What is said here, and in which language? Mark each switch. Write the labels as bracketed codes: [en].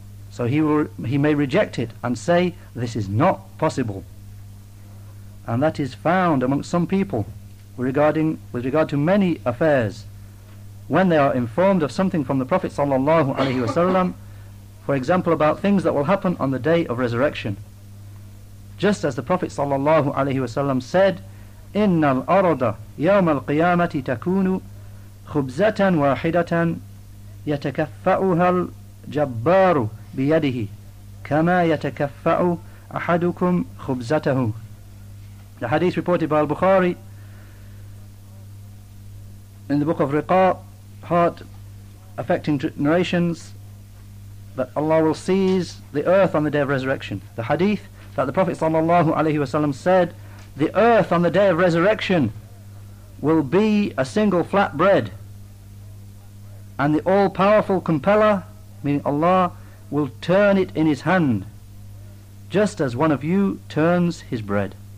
[en] So he may reject it and say, this is not possible. And that is found among some people with regard to many affairs, when they are informed of something from the Prophet sallallahu alaihi wasallam, for example about things that will happen on the day of resurrection. Just as the Prophet sallallahu alaihi wasallam said, [ar] إِنَّ الْأَرَضَ يَوْمَ الْقِيَامَةِ تَكُونُ خُبْزَةً وَاحِدَةً يَتَكَفَّأُهَا الْجَبَّارُ بِيَدِهِ كَمَا يَتَكَفَّأُ أَحَدُكُمْ خُبْزَتَهُ. [en] The hadith reported by Al-Bukhari in the book of Riqa, part affecting narrations, that Allah will seize the earth on the day of resurrection. The hadith that the Prophet sallallahu alaihi wasallam said, the earth on the day of resurrection will be a single flat bread, and the all-powerful compeller, meaning Allah, will turn it in His hand, just as one of you turns his bread.